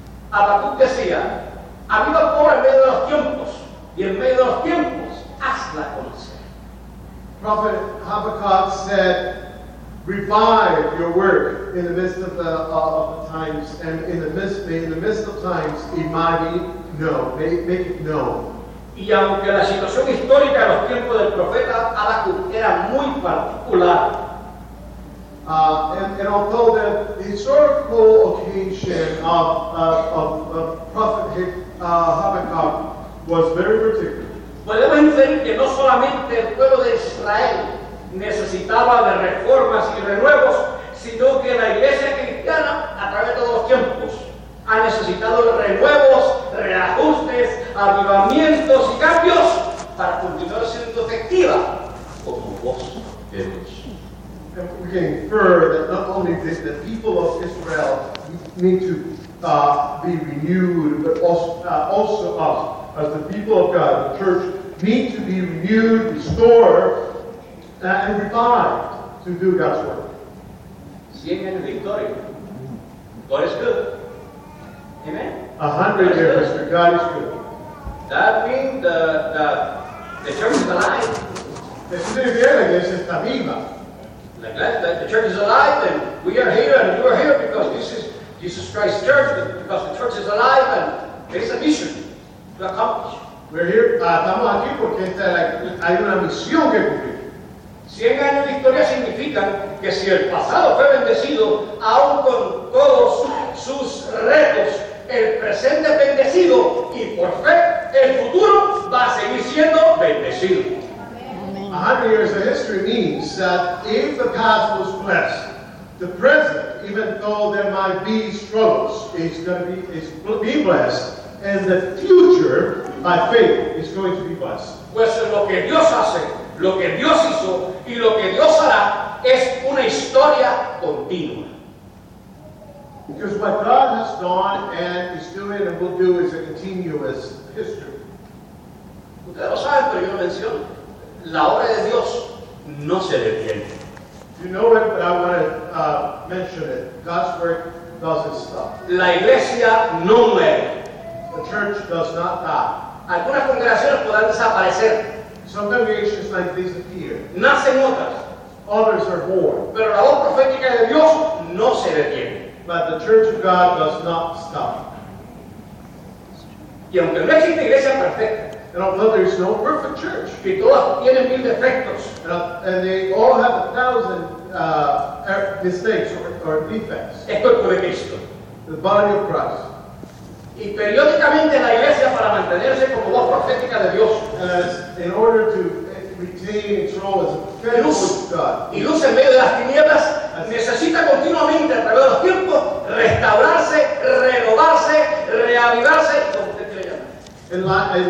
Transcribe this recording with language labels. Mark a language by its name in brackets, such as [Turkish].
[Spanish] Habacuc decía, aviva por en medio de los tiempos, y en medio de los tiempos, hazla conocer. [English] Prophet Habakkuk said, revive your work in the midst of the times, and in the midst of times, it might be known. Make it known. [Spanish] Y aunque la situación histórica en los tiempos del profeta Habacuc era muy particular, [English] and although the historical occasion of prophet Habakkuk was very particular, [Spanish] podemos inferir que no solamente el pueblo de Israel necesitaba de reformas y renuevos, sino que la iglesia cristiana a través de todos los tiempos ha necesitado de renuevos, reajustes, avivamientos y cambios para continuar siendo efectiva como voz de Dios. [English] We can infer that not only did the people of Israel need to be renewed, but also us as the people of God, the church, need to be renewed, restored, and revived to do God's work. 100 years of victory. God is good. Amen? 100 years, Mr. God is good. That means the church is alive. [Spanish] Es muy bien, es está viva. [English] The church is alive, and we are here, and you are here, because this is Jesus Christ's church, because the church is alive, and there's a mission to accomplish. We're here, [Spanish] estamos aquí porque hay una misión que cumplir. 100 años de historia significa que si el pasado fue bendecido, aún con todos sus retos, el presente es bendecido y por fe el futuro va a seguir siendo bendecido. [English] 100 years of history means that if the past was blessed, the present, even though there might be struggles, is going to be blessed, and the future, by faith, is going to be blessed. [Spanish] Pues lo que Dios hace, lo que Dios hizo y lo que Dios hará es una historia continua. [English] Because what God has done and is doing and will do is a continuous history. [Spanish] Ustedes lo saben, pero yo lo menciono. La obra de Dios no se detiene. [English] You know it, but I want to mention it. God's work doesn't stop. [Spanish] La iglesia no muere. [English] The church does not die. [Spanish] Algunas congregaciones podrán desaparecer. [English] Some congregations might disappear. [Spanish] Nacen otras. [English] Others are born. [Spanish] Pero la obra profética de Dios no se detiene. [English] But the church of God does not stop. [Spanish] Y aunque no existe iglesia perfecta, [English] and although there is no perfect church, [Spanish] y todas tienen mil defectos, [English] and they all have a thousand mistakes or defects, [Spanish] es cuerpo de Cristo. [English] The body of Christ. [Spanish] Y periódicamente la iglesia para mantenerse como voz profética de Dios. [English] In order to retain its role as a prophetic voice of God. [Spanish] Y luz en medio de las tinieblas necesita continuamente a través de los tiempos restaurarse, renovarse, reavivarse, como usted quiere llamar.